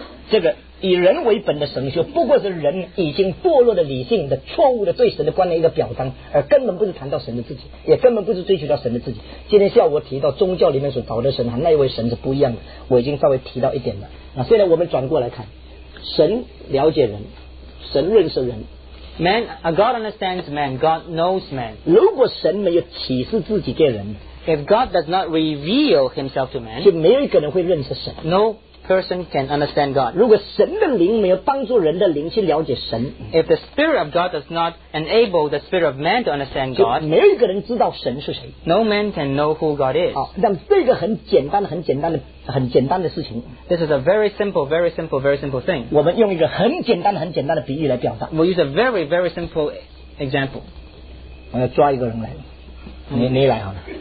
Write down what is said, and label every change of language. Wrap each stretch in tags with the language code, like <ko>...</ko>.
<zh>这个以人为本的神学不过是人已经堕落的理性的错误的对神的观念一个表彰，而根本不是谈到神的自己，也根本不是追求到神的自己。今天下午我提到宗教里面所找的神和那一位神是不一样的，我已经稍微提到一点了。那现在我们转过来看，神了解人，神认识人。</zh> <en>Man, God understands man. God knows man.</en> <zh>如果神没有启示自己给人，</zh> <en>if God does not reveal himself to man,</en> <zh>就没有一个人会认识神。</zh> <en>No person can understand God.</en> <zh>如果神的灵没有帮助人的灵去了解神，</zh> <en>if the spirit of God does not enable the spirit of man to understand God,</en> <zh>就没有一个人知道神是谁。</zh> <en>No man can know who God is.</en> <zh>好，那这个很简单的、很简单的、很简单的事情。</zh> <en>This is a very simple, very simple, very simple thing.</en> <zh>我们用一个很简单的、很简单的比喻来表达。</zh> <en>We'll use a very, very simple example.</en> <zh>我要抓一个人来，你来好了。</zh>